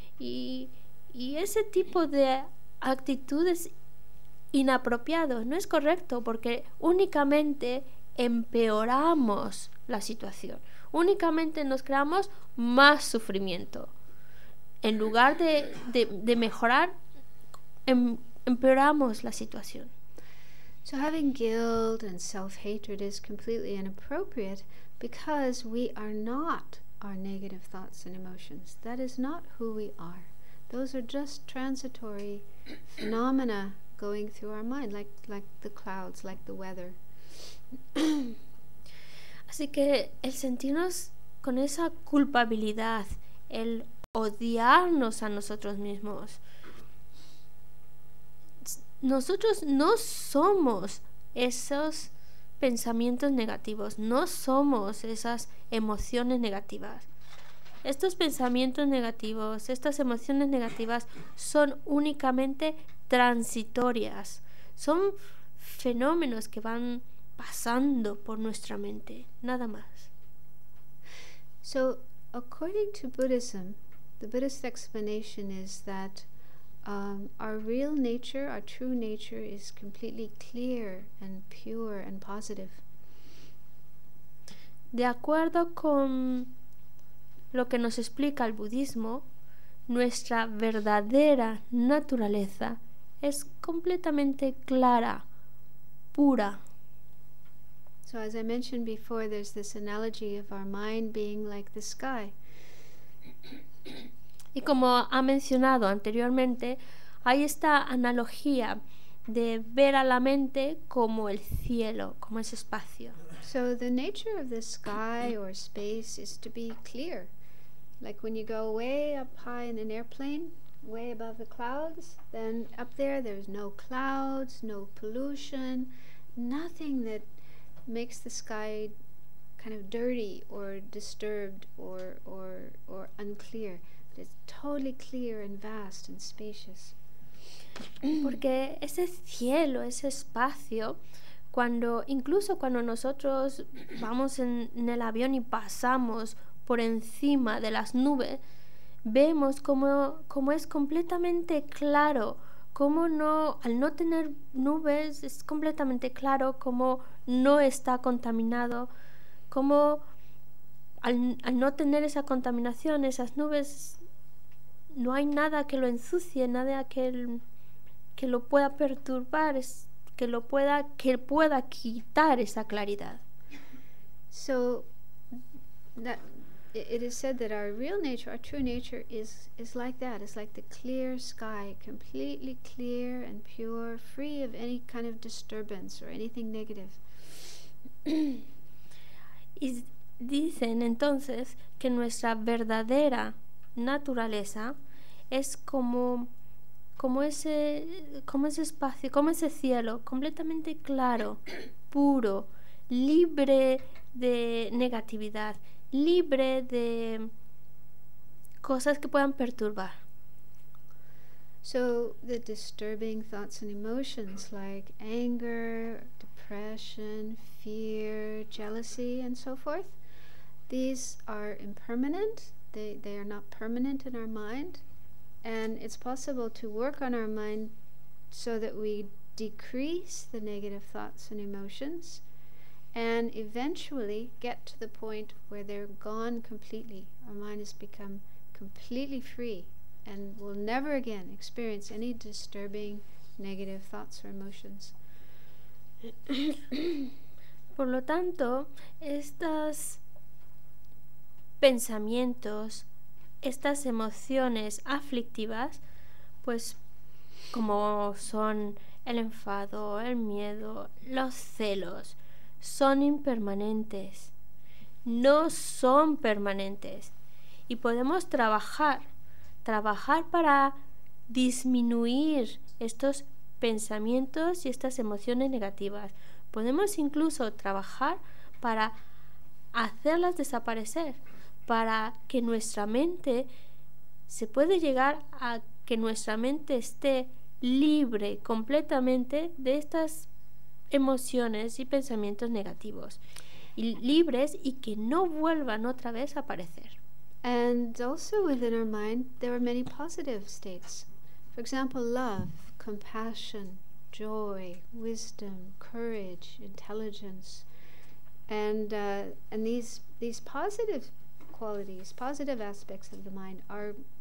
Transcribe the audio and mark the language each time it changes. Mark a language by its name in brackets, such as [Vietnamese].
[Spanish] Y ese tipo de actitud es inapropiado, no es correcto, porque únicamente empeoramos la situación, únicamente nos creamos más sufrimiento. en lugar de mejorar, empeoramos la situación. [English] So having guilt and self-hatred is completely inappropriate because we are not our negative thoughts and emotions. That is not who we are. Those are just transitory phenomena going through our mind, like the clouds, like the weather. [Spanish] Así que el sentirnos con esa culpabilidad, el odiarnos a nosotros mismos, nosotros no somos esos pensamientos negativos, no somos esas emociones negativas. Estos pensamientos negativos, estas emociones negativas son únicamente transitorias. Son fenómenos que van pasando por nuestra mente, nada más. [English] So, according to Buddhism, the Buddhist explanation is that our real nature, our true nature, is completely clear and pure and positive. [Spanish] De acuerdo con lo que nos explica el budismo, nuestra verdadera naturaleza es completamente clara, pura. [English] So as I mentioned before, there's this analogy of our mind being like the sky. [Spanish] Y como ha mencionado anteriormente, hay esta analogía de ver a la mente como el cielo, como ese espacio. [English] So the nature of the sky or space is to be clear. Like when you go way up high in an airplane, way above the clouds, then up there there's no clouds, no pollution, nothing that makes the sky kind of dirty or disturbed or unclear. It's totally clear and vast and spacious. [Spanish] Porque ese cielo, ese espacio, cuando incluso cuando nosotros vamos en el avión y pasamos por encima de las nubes, vemos cómo es completamente claro, cómo no, al no tener nubes, es completamente claro cómo no está contaminado, cómo al no tener esa contaminación, esas nubes, no hay nada que lo ensucie, nada que lo pueda perturbar, que pueda quitar esa claridad. [English] So that it is said that our real nature, our true nature, is like that. It's like the clear sky, completely clear and pure, free of any kind of disturbance or anything negative. [Spanish] Y dicen entonces que nuestra verdadera naturaleza es como ese espacio, como ese cielo, completamente claro, puro, libre de negatividad, libre de cosas que puedan perturbar. [English] So the disturbing thoughts and emotions like anger, depression, fear, jealousy, and so forth, these are impermanent. They are not permanent in our mind. And it's possible to work on our mind so that we decrease the negative thoughts and emotions and eventually get to the point where they're gone completely. Our mind has become completely free and will never again experience any disturbing negative thoughts or emotions. [Spanish] Por lo tanto, estos pensamientos, estas emociones aflictivas, pues como son el enfado, el miedo, los celos, son impermanentes, no son permanentes, y podemos trabajar para disminuir estos pensamientos y estas emociones negativas. Podemos incluso trabajar para hacerlas desaparecer, para que nuestra mente se puede llegar a que nuestra mente esté libre completamente de estas emociones y pensamientos negativos y libres y que no vuelvan otra vez a aparecer. [English] And also within our mind there are many positive states. For example, love, compassion, joy, wisdom, courage, intelligence. And these positive qualities, positive aspects of the mind are